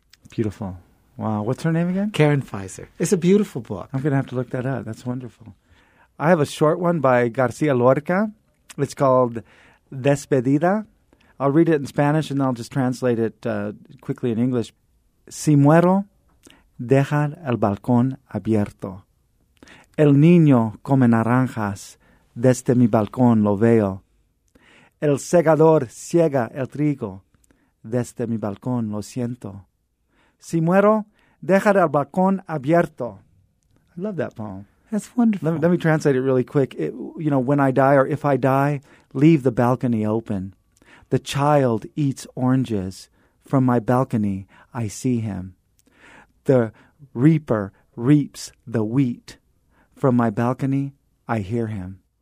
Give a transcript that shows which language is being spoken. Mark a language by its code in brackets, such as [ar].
[en] Beautiful. Wow. What's her name again? Karen Fizer. It's a beautiful book. I'm going to have to look that up. That's wonderful. I have a short one by García Lorca. It's called Despedida. I'll read it in Spanish and I'll just translate it quickly in English. [es] Si muero, deja el balcón abierto. El niño come naranjas. Desde mi balcón lo veo. El segador ciega el trigo. Desde mi balcón lo siento. Si muero, deja el balcón abierto. [en] I love that poem. That's wonderful. Let me translate it really quick. When I die or if I die, leave the balcony open. The child eats oranges. From my balcony, I see him. The reaper reaps the wheat. From my balcony, I hear him.